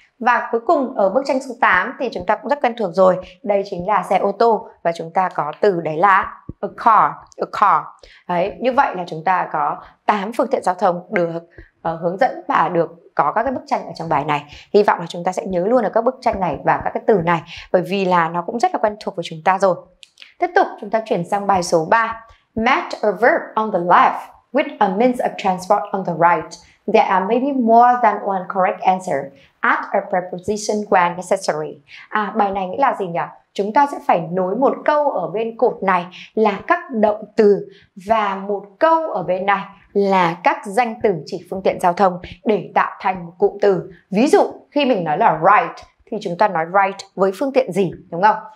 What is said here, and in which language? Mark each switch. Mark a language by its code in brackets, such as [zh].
[vi] Và cuối cùng, ở bức tranh số 8 thì chúng ta cũng rất quen thuộc rồi. Đây chính là xe ô tô và chúng ta có từ đấy là [en] a car, a car. [vi] Đấy, như vậy là chúng ta có 8 phương tiện giao thông được hướng dẫn bà được có các cái bức tranh ở trong bài này. Hy vọng là chúng ta sẽ nhớ luôn được các bức tranh này và các cái từ này, bởi vì là nó cũng rất là quen thuộc với chúng ta rồi. Tiếp tục chúng ta chuyển sang bài số 3. [en] Met a verb on the left with a means of transport on the right. There are maybe more than one correct answer. Add a preposition when necessary. [vi] À, bài này nghĩa là gì nhỉ? Chúng ta sẽ phải nối một câu ở bên cột này là các động từ và một câu ở bên này là các danh từ chỉ phương tiện giao thông để tạo thành một cụm từ. Ví dụ khi mình nói là right thì chúng ta nói right với phương tiện gì, đúng không?